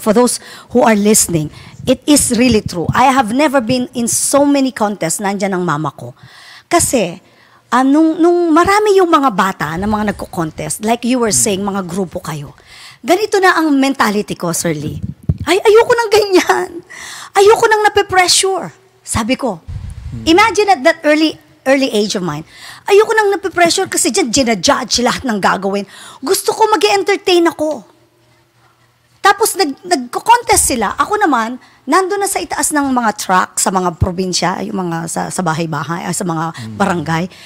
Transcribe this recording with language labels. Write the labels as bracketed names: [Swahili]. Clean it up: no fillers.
[English] For those who are listening, it is really true. I have never been in so many contests, [Filipino] nandyan ang mama ko. Kasi, nung marami yung mga bata na mga nagko-contest, [English] like you were saying, [Filipino] mga grupo kayo, ganito na ang mentality ko, Sir Lee. Ay, ayoko nang ganyan. Ayoko nang nape-pressure. Sabi ko, [English] imagine at that early age of mine. [Filipino] Ayoko nang napipressure kasi dyan ginajudge lahat ng gagawin. Gusto ko mag-entertain ako. Tapos nagko-contest sila. Ako naman, nando na sa itaas ng mga truck sa mga probinsya, yung mga sa bahay-bahay, sa mga barangay.